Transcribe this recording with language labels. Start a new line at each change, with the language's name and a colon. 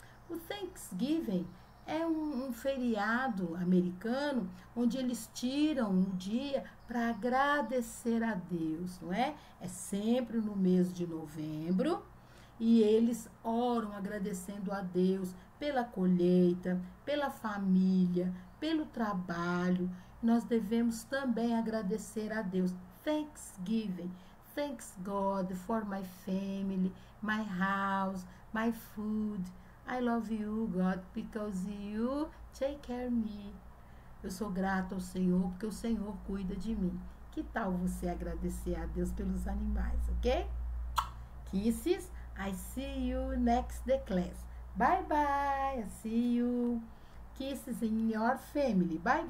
Portuguese: O Thanksgiving é um feriado americano onde eles tiram um dia para agradecer a Deus, não é? É sempre no mês de novembro e eles oram agradecendo a Deus pela colheita, pela família, pelo trabalho. Nós devemos também agradecer a Deus.
English: Thanksgiving. Thanks God for my family, my house, my food. I love you, God, because you take care of me.
Portuguese: Eu sou grata ao Senhor, porque o Senhor cuida de mim. Que tal você agradecer a Deus pelos animais, ok?
English: Kisses, I see you next the class. Bye bye. See you. Kisses in your family. Bye bye.